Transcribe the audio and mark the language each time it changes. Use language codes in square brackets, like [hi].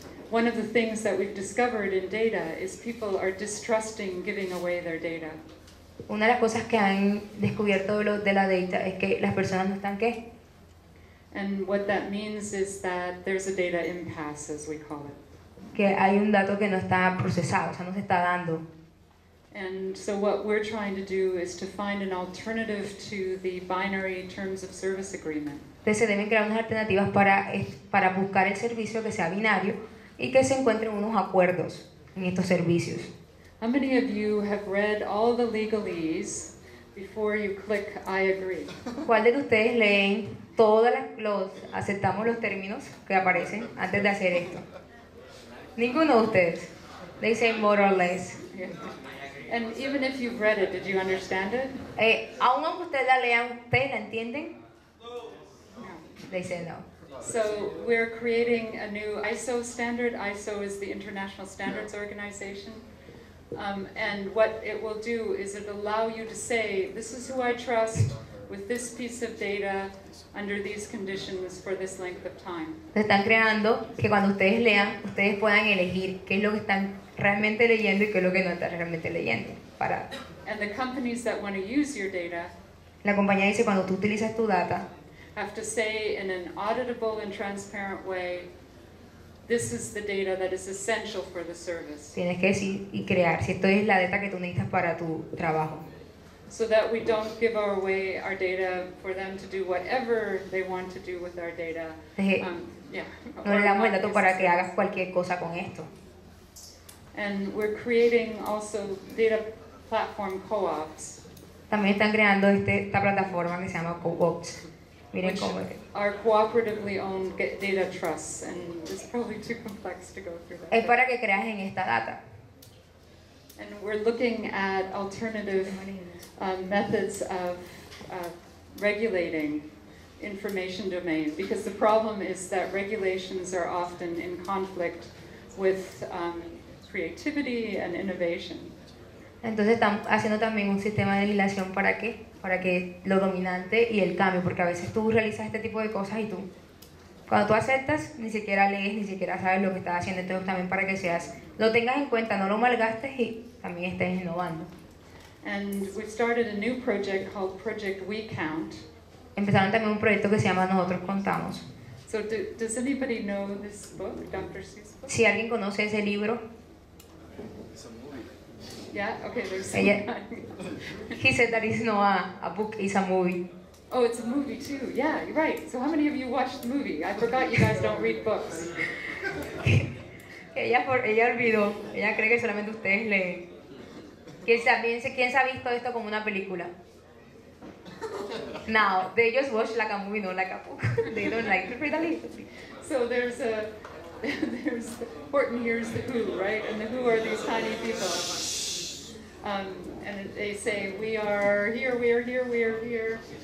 [en] One of the things that we've discovered in data is people are distrusting giving away their data. [es] Una de las cosas que han descubierto de la data es que las personas no están qué. [en] And what that means is that there's a data impasse, as we call it. [es] Que hay un dato que no está procesado, o sea, no se está dando. [en] And so what we're trying to do is to find an alternative to the binary terms of service agreement. [es] Entonces se deben crear unas alternativas para buscar el servicio que sea binario y que se encuentren unos acuerdos en estos servicios. [en] How many of you have read all the legalese before you click I agree? [es] ¿Cuál de ustedes leen todos los aceptamos los términos que aparecen antes de hacer esto? Ninguno de ustedes. [en] They say more or less. And even if you've read it, did you understand it? [es] ¿Aún aunque ustedes la lean, ustedes la entienden? [en] They say no. So we're creating a new ISO standard. ISO is the International Standards Organization. And what it will do is it allow you to say, this is who I trust with this piece of data under these conditions for this length of time. [es] Están creando que cuando ustedes lean, ustedes puedan elegir qué es lo que están realmente leyendo y qué es lo que no están realmente leyendo. Para. [en] And the companies that want to use your data, [es] la compañía dice cuando tú utilizas tu data, [en] have to say in an auditable and transparent way, this is the data that is essential for the service. [es] Tienes que decir y crear si esto es la data que tú necesitas para tu trabajo. [en] So that we don't give away our data for them to do whatever they want to do with our data. [es] No le damos el dato para que hagas cualquier cosa con esto. [en] And we're creating also data platform co-ops. [es] También están creando esta plataforma que se llama co-ops. [en] Which are cooperatively owned data trusts, and it's probably too complex to go through that. [es] Es para que creas en esta data. [en] And we're looking at alternative methods of regulating information domain, because the problem is that regulations are often in conflict with creativity and innovation. [es] Entonces estamos haciendo también un sistema de legislación para qué? Para que lo dominante y el cambio, porque a veces tú realizas este tipo de cosas y tú, cuando tú aceptas, ni siquiera lees, ni siquiera sabes lo que estás haciendo. Entonces también para que seas, lo tengas en cuenta, no lo malgastes y también estés innovando. [en] And we've started a new project called Project We Count. [es] Empezaron también un proyecto que se llama Nosotros Contamos. [en] So does anybody know this book, Dr. Seuss book? [es] Si alguien conoce ese libro. [en] Yeah, okay, there's he said that it's not a book, it's a movie. Oh, it's a movie too. Yeah, you're right. So how many of you watched the movie? I forgot you guys don't read books. [es] Ella olvidó. Ella cree que solamente ustedes leen. ¿Quién se ha visto esto como una película? [en] No, they just watch like a movie, not like a book. They don't like to read a little. So there's a... there's Horton Hears the Who, right? And the Who are these tiny people. And they say, we are here, we are here, we are here.